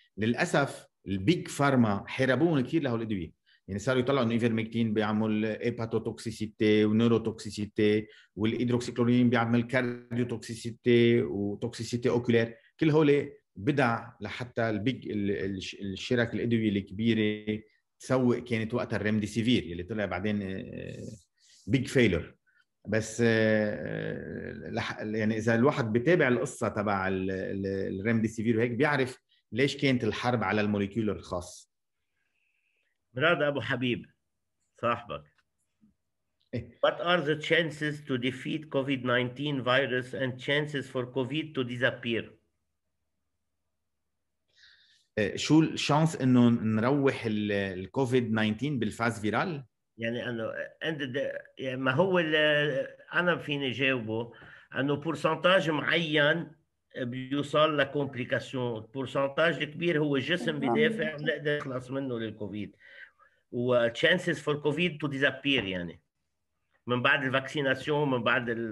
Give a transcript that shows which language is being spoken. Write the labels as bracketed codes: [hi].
[ar] للاسف البيج فارما حربوهم كثير لهول الادويه يعني صاروا يطلعوا انه ايفيرميكتين بيعمل هيباتوتوكسيسيتي ونيوروتوكسيسيتي والهيدروكسيكلورين بيعمل كارديوتوكسيسيتي وتوكسيسيتي اوكولير كل هول بدع لحتى البيج الشرك الادويه الكبيره تسوق كانت وقتها الريمدي سيفير اللي طلع بعدين بيج فيلر. بس يعني اذا الواحد بتابع القصه تبع الريمدي سيفير وهيك بيعرف ليش كانت الحرب على المولكيول الخاص. [en] مراد ابو حبيب صاحبك What are the chances to defeat COVID-19 virus and chances for COVID to disappear؟ [ar] شو الشانس انه نروح الكوفيد 19 بالفاز فيرال؟ يعني انه عند يعني ما هو انا فيني جاوبه انه بورسنتاج معين بيوصل لكومبليكاسيون بورسنتاج كبير هو الجسم بيدافع بنقدر نخلص منه للكوفيد و [en] chances for COVID to disappear [ar] يعني من بعد الفاكسيناسيون من بعد